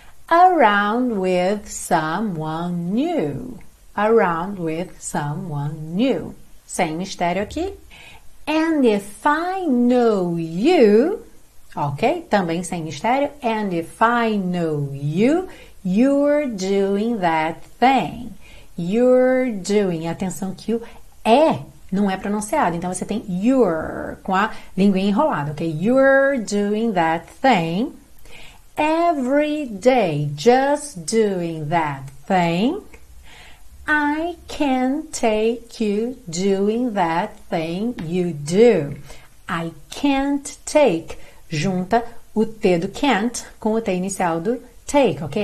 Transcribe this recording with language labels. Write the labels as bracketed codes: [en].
[en] Around with someone new, around with someone new. [pt] Sem mistério aqui. [en] And if I know you, ok? [pt] Também sem mistério. [en] And if I know you, you're doing that thing. You're doing, [pt] atenção que o é, não é pronunciado. Então, você tem you're com a língua enrolada, ok? [en] You're doing that thing. Every day, just doing that thing. I can take you doing that thing you do. I can't take. [pt] Junta o T do can't com o T inicial do take, ok?